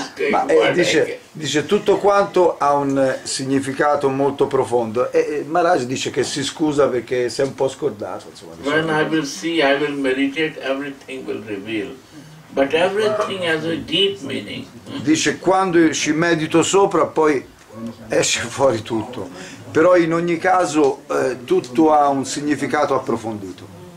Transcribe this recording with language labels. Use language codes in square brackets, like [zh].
[it] Ma dice tutto quanto ha un significato molto profondo e Maharaj dice che si scusa perché si è un po' scordato, insomma. [en] When I will see, I will meditate, everything will reveal. But everything has a deep meaning. [it] Dice quando ci medito sopra poi esce fuori tutto. Però in ogni caso tutto ha un significato approfondito.